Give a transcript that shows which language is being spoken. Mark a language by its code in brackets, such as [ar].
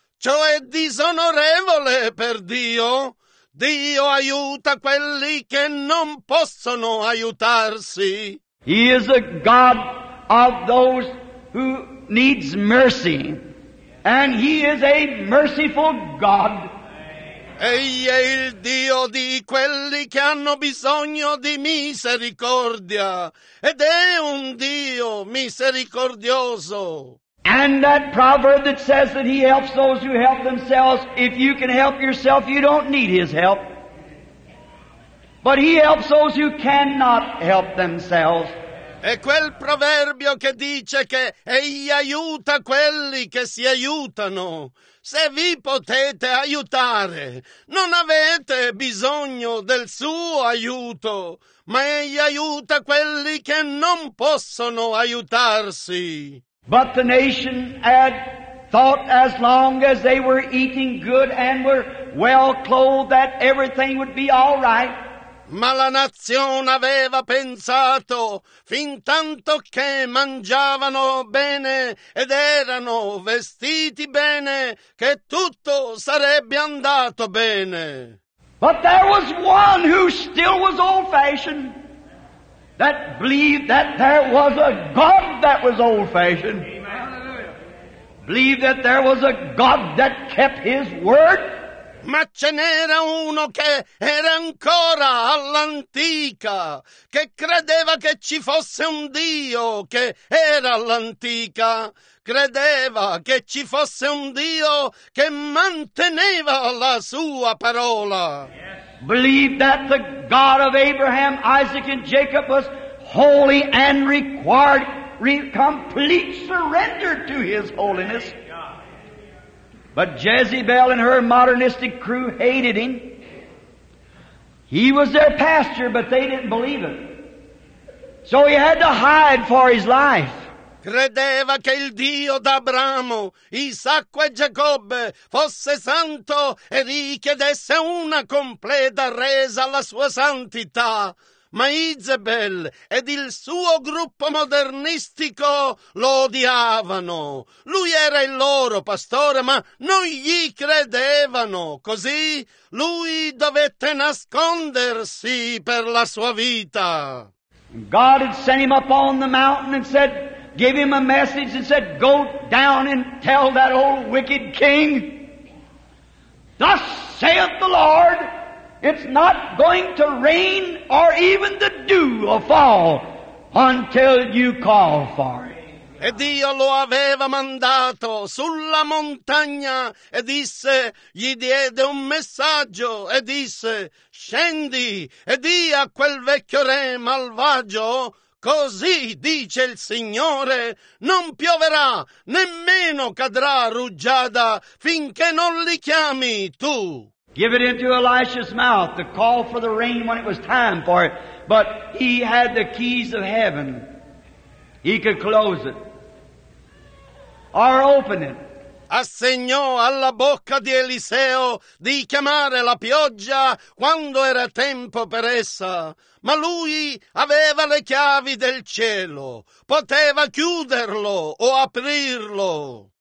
[it] Ciò è disonorevole per Dio. Dio aiuta quelli che non possono aiutarsi. [en] He is a God of those who needs mercy, and He is a merciful God. [it] Egli è il Dio di quelli che hanno bisogno di misericordia, ed è un Dio misericordioso. [en] And that proverb that says that He helps those who help themselves, if you can help yourself, you don't need His help. But He helps those who cannot help themselves. [it] E quel proverbio che dice che Egli aiuta quelli che si aiutano. Se vi potete aiutare, non avete bisogno del suo aiuto, ma Egli aiuta quelli che non possono aiutarsi. [en] But the nation had thought as long as they were eating good and were well clothed that everything would be all right. [it] Ma la nazione aveva pensato, fin tanto che mangiavano bene ed erano vestiti bene, che tutto sarebbe andato bene. [en] But there was one who still was old-fashioned. that believed that there was a God that was old-fashioned. Believed that there was a God that kept His word. [it] Ma ce n'era uno che era ancora all'antica, che credeva che ci fosse un Dio che era all'antica. Credeva che ci fosse un Dio che manteneva la sua parola. [en] Believed that the God of Abraham, Isaac, and Jacob was holy and required complete surrender to His holiness. But Jezebel and her modernistic crew hated Him. He was their pastor, but they didn't believe it. So he had to hide for his life. [it] Credeva che il Dio d'Abramo, Isacco e Giacobbe fosse santo e richiedesse una completa resa alla sua santità. Ma Jezebel ed il suo gruppo modernistico lo odiavano. Lui era il loro pastore, ma non gli credevano. Così lui dovette nascondersi per la sua vita. [en] God had sent him up on the mountain and said, gave him a message and said, go down and tell that old wicked king, thus saith the Lord, it's not going to rain or even the dew will fall until you call for it. [it] E Dio lo aveva mandato sulla montagna e disse, gli diede un messaggio e disse, scendi e di a quel vecchio re malvagio, così dice il Signore, non pioverà, nemmeno cadrà rugiada finché non li chiami tu. [en] Give it into Elisha's mouth to call for the rain when it was time for it. But he had the keys of heaven. He could close it. Or open it. [it] Assegnò alla bocca di Eliseo di chiamare la pioggia quando era tempo per essa. Ma lui aveva le chiavi del cielo. Poteva chiuderlo o aprirlo.